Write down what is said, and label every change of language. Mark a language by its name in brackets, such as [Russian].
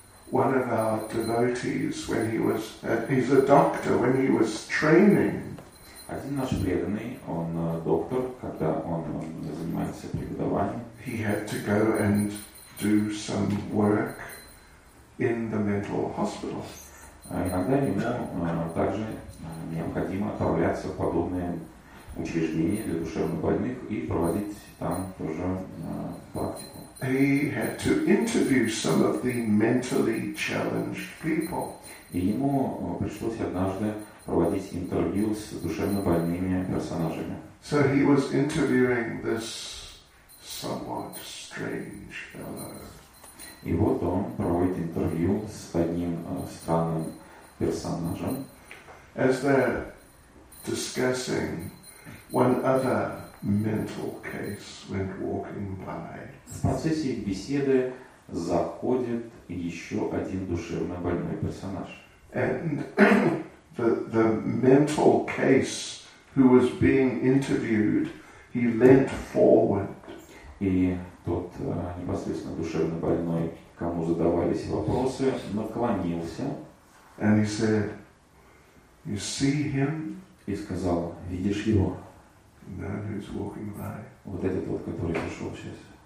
[English] One of our devotees, when he was, he's a doctor, when he was training. [Russian] Один наш преданный, он доктор, когда он занимается преподаванием. [English] He had to go and do some work in the mental hospital. [Russian] Иногда ему также необходимо отправляться в подобные учреждения для душевнобольных и проводить там тоже практику. [English] He had to interview some of the mentally challenged people. [Russian] И ему пришлось однажды проводить интервью с душевнобольными персонажами. [English] So he was interviewing this somewhat strange fellow. [Russian] И вот он проводит интервью с одним странным персонажем. [English] As they're discussing, one other mental case went walking by. [Russian] В процессе беседы заходит еще один душевнобольной персонаж. [English] And the mental case who was being interviewed, he leant forward. [Russian] И тот непосредственно душевнобольной, кому задавались вопросы, наклонился. [English] And he said, "You see him?" [Russian] И сказал: "Видишь его?" [English] That who's walking by. [Russian] Вот этот вот, который пришел сейчас.